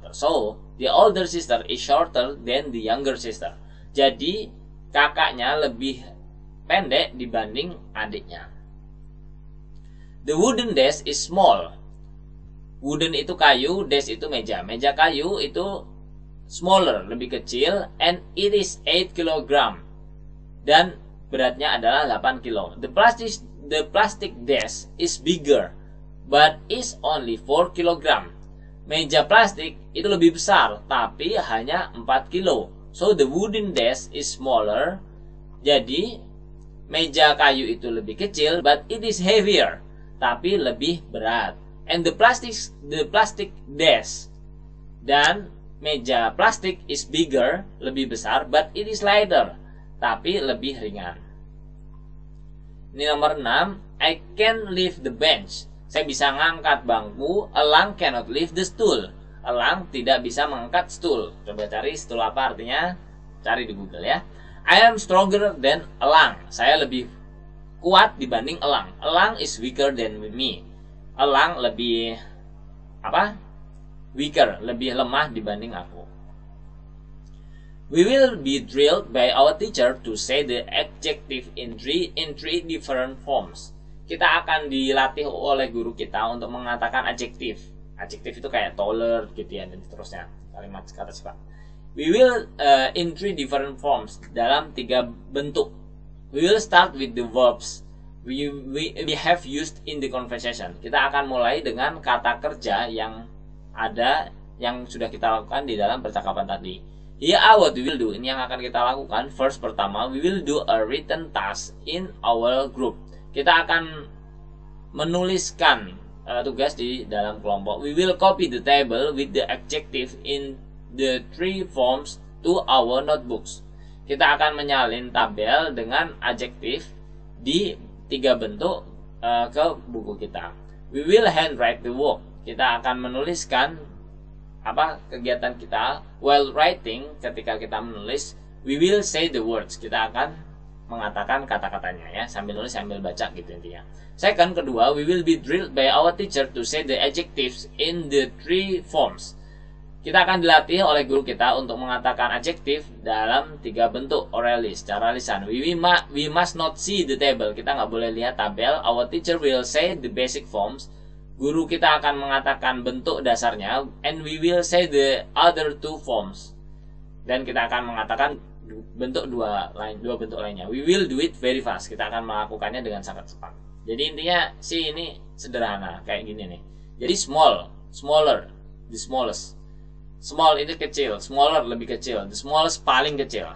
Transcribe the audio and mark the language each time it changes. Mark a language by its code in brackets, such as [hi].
[en] So, the older sister is shorter than the younger sister. [id] Jadi, kakaknya lebih pendek dibanding adiknya. [en] The wooden desk is small. Wooden [id] itu kayu, [en] desk [id] itu meja. Meja kayu itu [en] smaller, [id] lebih kecil. [en] And it is 8 kilogram. [id] Dan beratnya adalah 8 kilo. [en] The plastic desk is bigger, but is only 4 kilogram. [id] Meja plastik itu lebih besar, tapi hanya 4 kilo. [en] So the wooden desk is smaller. [id] Jadi meja kayu itu lebih kecil, [en] but it is heavier. [id] Tapi lebih berat. [en] And the plastic desk. [id] Dan meja plastik [en] is bigger, [id] lebih besar, [en] but it is lighter. [id] Tapi lebih ringan. Ini nomor 6. [en] I can lift the bench. [id] Saya bisa ngangkat bangku. [en] Elang cannot lift the stool. [id] Elang tidak bisa mengangkat stool. Coba cari stool apa artinya. cari di Google ya. [en] I am stronger than elang. [id] Saya lebih kuat dibanding elang. [en] Elang is weaker than me. [id] Elang lebih apa? Weaker, lebih lemah dibanding aku. [en] We will be drilled by our teacher to say the adjective in three different forms. [id] Kita akan dilatih oleh guru kita untuk mengatakan adjektif. Adjektif itu kayak taller gitu ya dan seterusnya. Kalimat kata sifat. [en] We will in three different forms, [id] dalam tiga bentuk. [en] We will start with the verbs we have used in the conversation. [id] Kita akan mulai dengan kata kerja yang ada yang sudah kita lakukan di dalam percakapan tadi. [en] Yeah, what we will do, [id] ini yang akan kita lakukan. [en] First, [id] pertama, [en] we will do a written task in our group. [id] Kita akan menuliskan tugas di dalam kelompok. [en] We will copy the table with the adjective in the three forms to our notebooks. [id] Kita akan menyalin tabel dengan adjektif di tiga bentuk ke buku kita. [en] We will handwrite the work. [id] Kita akan menuliskan apa kegiatan kita. [en] While writing, [id] ketika kita menulis, [en] we will say the words. [id] Kita akan mengatakan kata-katanya ya, sambil nulis sambil baca gitu intinya. [en] Second, [id] kedua, [en] we will be drilled by our teacher to say the adjectives in the three forms. [id] Kita akan dilatih oleh guru kita untuk mengatakan adjektif dalam tiga bentuk [en] orally, [id] secara lisan. [en] We must not see the table. [id] Kita nggak boleh lihat tabel. [en] Our teacher will say the basic forms. [id] Guru kita akan mengatakan bentuk dasarnya. [en] And we will say the other two forms. [id] Dan kita akan mengatakan bentuk dua bentuk lainnya. [en] We will do it very fast. [id] Kita akan melakukannya dengan sangat cepat. Jadi intinya sih ini sederhana, kayak gini nih. Jadi smaller, [en] the smallest. [id] Small ini kecil, smaller lebih kecil, the smallest paling kecil.